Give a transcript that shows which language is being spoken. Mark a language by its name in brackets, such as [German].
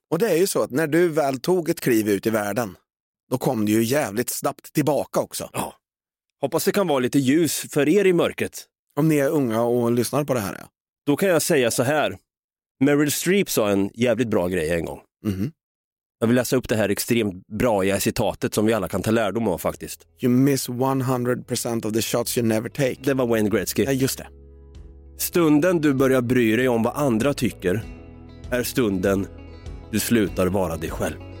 [Swedish] Och det är ju så att när du väl tog ett kliv ut i världen, då kom du ju jävligt snabbt tillbaka också. Ja. Hoppas det kan vara lite ljus för er i mörkret. Om ni är unga och lyssnar på det här, ja. Då kan jag säga så här. Meryl Streep sa en jävligt bra grej en gång. Mm-hmm. Jag vill läsa upp det här extremt bra citatet som vi alla kan ta lärdom av faktiskt. [English] You miss 100% of the shots you never take. [Swedish] Det var Wayne Gretzky. Ja, just det. Stunden du börjar bry dig om vad andra tycker är stunden du slutar vara dig själv.